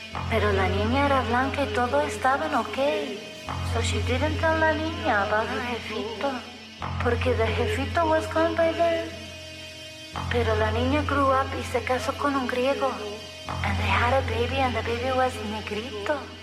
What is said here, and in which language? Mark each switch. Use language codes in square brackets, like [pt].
[es] Pero la niña era blanca y todo estaban okay. [en] So she didn't tell [es] la niña [en] about her jefito. [es] Porque [en] the jefito was gone by then. [es] Pero la niña [en] grew up [es] y se casó con un griego. [en] And they had a baby and the baby was negrito.